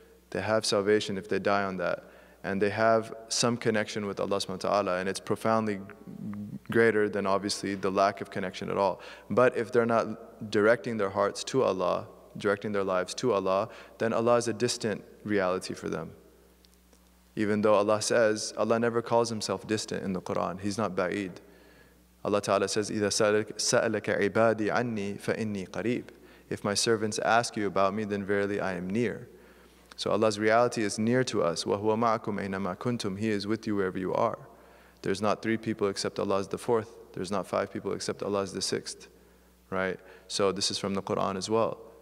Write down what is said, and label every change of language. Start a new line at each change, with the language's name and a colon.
English: They have salvation if they die on that. And they have some connection with Allah subhanahu wa ta'ala, and it's profoundly greater than obviously the lack of connection at all. But if they're not directing their hearts to Allah, directing their lives to Allah, then Allah is a distant reality for them. Even though Allah says, Allah never calls himself distant in the Quran. He's not ba'id. Allah ta'ala says,
Arabic: إِذَا سَأَلَكَ عِبَادِي عَنِّي فَإِنِّي قَرِيبٌ.
English: If my servants ask you about me, then verily I am near. So Allah's reality is near to us.
Arabic: وَهُوَ مَعَكُمْ أَيْنَمَا كُنْتُمْ.
English: He is with you wherever you are. There's not three people except Allah is the fourth. There's not five people except Allah is the sixth. Right? So this is from the Quran as well.